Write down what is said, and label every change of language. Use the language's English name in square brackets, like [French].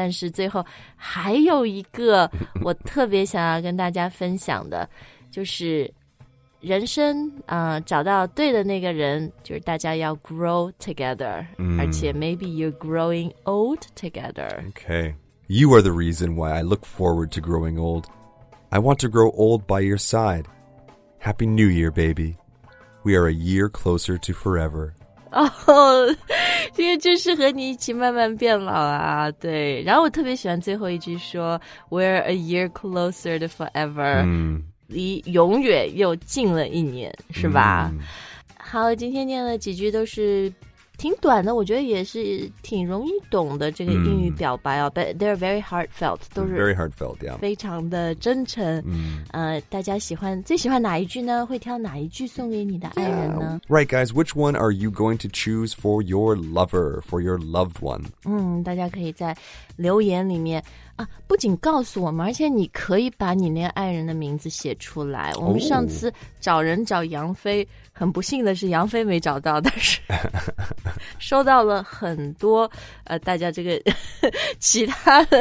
[Chinese] 但是最后还有一个我特别想要跟大家分享的就是人生找到对的那个人就是大家要 [English] grow together.、 Mm. 而且 maybe you're growing old together. Okay. You are the reason why I look forward to growing old. I want to grow old by your side. Happy New Year, baby. We are a year closer to forever. [Chinese] 哦，这个就是和你一起慢慢变老啊，对。然后我特别喜欢最后一句说 [English] "We're a year closer to forever"，、 mm. [Chinese] 离永远又近了一年，是吧？ Mm. 好，今天念了几句都是挺短的，我觉得也是挺容易懂的这个英语表白哦。Mm. [English] But they're very heartfelt， [Chinese] 都是 [English] very heartfelt， yeah， [Chinese] 非常的真诚。 Mm. 大家喜欢最喜欢哪一句呢？会挑哪一句送给你的爱人呢、 [English] yeah. ？Right, guys, which one are you going to choose for your lover, for your loved one？ [Chinese] 大家可以在留言里面。不仅告诉我们而且你可以把你那个爱人的名字写出来我们上次找人找杨飞、 oh. 很不幸的是杨飞没找到但是收到了很多大家这个其他的、